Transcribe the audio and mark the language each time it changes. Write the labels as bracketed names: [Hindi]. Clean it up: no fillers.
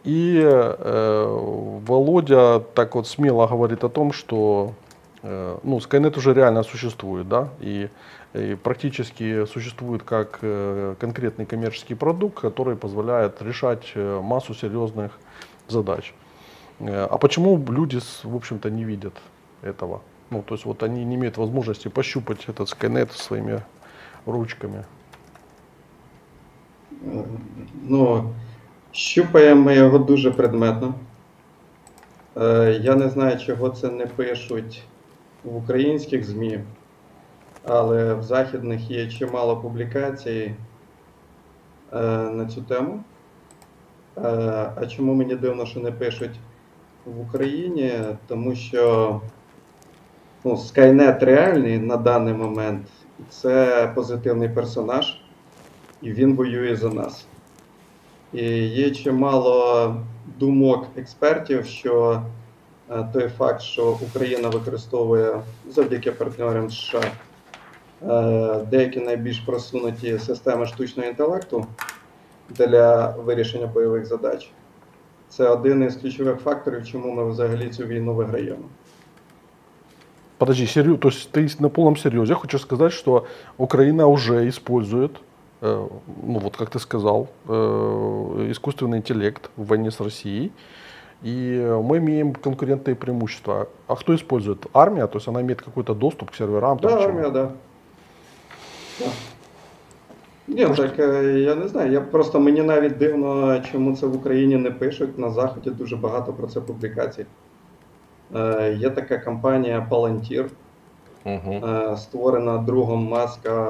[Russian] И Володя так вот смело говорит о том, что Скайнет уже реально существует, да, и практически существует как конкретный коммерческий продукт, который позволяет решать массу серьезных задач. А почему люди, в общем-то, не видят этого? Ну, то есть вот они не имеют возможности пощупать этот Скайнет своими ручками. [Ukrainian] Ну, щупаємо його дуже предметно. Я не знаю, чого це не пишуть в українських ЗМІ, але в західних є чимало публікацій на цю тему. А чому мені дивно, що не пишуть в Україні? Тому що Скайнет реальний на даний момент, це позитивний персонаж, і він воює за нас. І є чимало думок експертів, що той факт, що Україна використовує завдяки партнерам США деякі найбільш просунуті системи штучного інтелекту для вирішення бойових задач, це один із ключових факторів, чому ми взагалі цю війну виграємо. [Russian] Подожди, то есть ты на полном серьезе хочешь сказать, что Украина уже использует, как ты сказал, искусственный интеллект в войне с Россией, и мы имеем конкурентные преимущества. А кто использует? Армия? То есть она имеет какой-то доступ к серверам? Да, армия, да. [Ukrainian] Нет, так я не знаю, мені навіть дивно, чому це в Україні не пишуть, на Заході дуже багато про це публікацій. Є така компанія Palantir, створена другом Маска,